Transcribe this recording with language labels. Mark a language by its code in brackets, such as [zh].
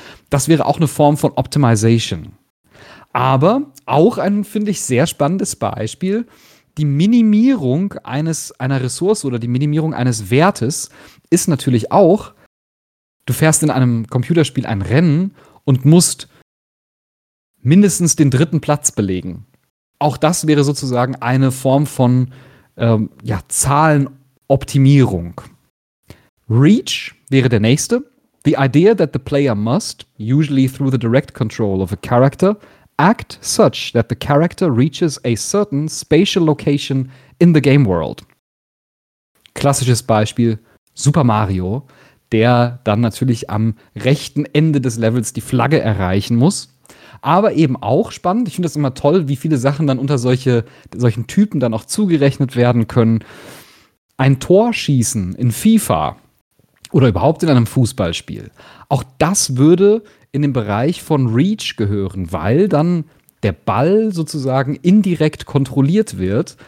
[de] Das wäre auch eine Form von Optimization. Aber auch ein, finde ich, sehr spannendes Beispiel, die Minimierung einer Ressource oder die Minimierung eines Wertes ist natürlich auch, du fährst in einem Computerspiel ein Rennen und musst mindestens den dritten Platz belegen. Auch das wäre sozusagen eine Form von Zahlenoptimierung. Reach wäre der nächste. [en] The idea that the player must, usually through the direct control of a character, act such that the character reaches a certain spatial location in the game world. [de] Klassisches Beispiel Super Mario, der dann natürlich am rechten Ende des Levels die Flagge erreichen muss. Aber eben auch spannend, ich finde das immer toll, wie viele Sachen dann unter solchen Typen dann auch zugerechnet werden können. Ein Tor schießen in FIFA oder überhaupt in einem Fußballspiel, auch das würde in den Bereich von Reach gehören, weil dann der Ball sozusagen indirekt kontrolliert wird.